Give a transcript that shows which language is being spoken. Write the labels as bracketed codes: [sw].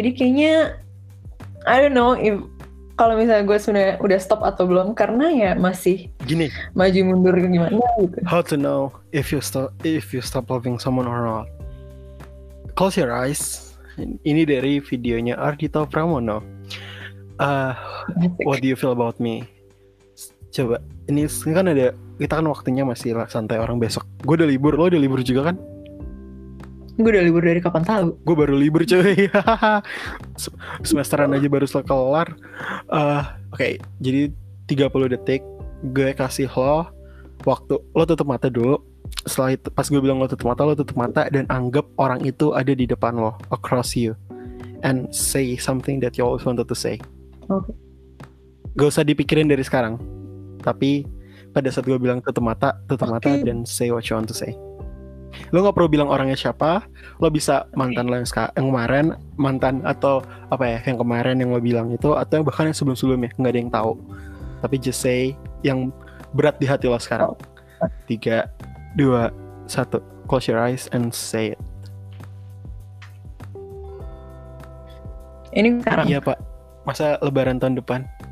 [id] Jadi kayaknya [en] I don't know if [id] kalau misalnya gue sebenarnya udah stop atau belum, karena ya masih gini maju mundur gimana gitu. [en] How to know if you stop, if you stop loving someone or not? Close your eyes. [id] Ini dari videonya Ardito Pramono. What do you feel about me? Coba, ini kan ada, kita kan waktunya masih santai orang besok. Gue udah libur, lo udah libur juga kan? Gue udah libur dari kapan tahu? Gue baru libur coy. Semesteran aja baru selesai kelar. Okay, jadi 30 detik gue kasih lo waktu. Lo tutup mata dulu. Setelah itu, pas gue bilang lo tutup mata dan anggap orang itu ada di depan lo, [en] across you, and say something that you always wanted to say. [id] Okay. Gak usah dipikirin dari sekarang, tapi pada saat gue bilang tutup mata dan [en] say what you want to say. [id] Lo gak perlu bilang orangnya siapa, lo bisa mantan lo yang kemarin, mantan atau apa ya, yang kemarin yang lo bilang itu, atau yang bahkan yang sebelum-sebelumnya, gak ada yang tahu. Tapi [en] just say [id] yang berat di hati lo sekarang. [en] Tiga, dua, satu, close your eyes and say it. [id] Ini sekarang? Iya pak, masa lebaran tahun depan?